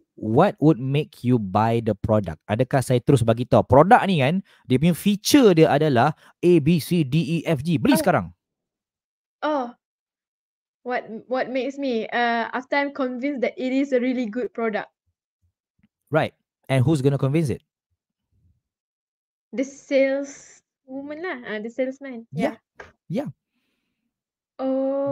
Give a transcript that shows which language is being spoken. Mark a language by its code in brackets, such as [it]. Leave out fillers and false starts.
[en] What would make you buy the product? [ms] Adakah saya terus bagi tahu produk ni kan, dia punya feature dia adalah A, B, C, D, E, F, G. Beli sekarang. [en] Oh. What makes me? After I'm convinced that it is a really good product. Right. And who's going to convince it? The saleswoman lah. The salesman. Yeah. Oh.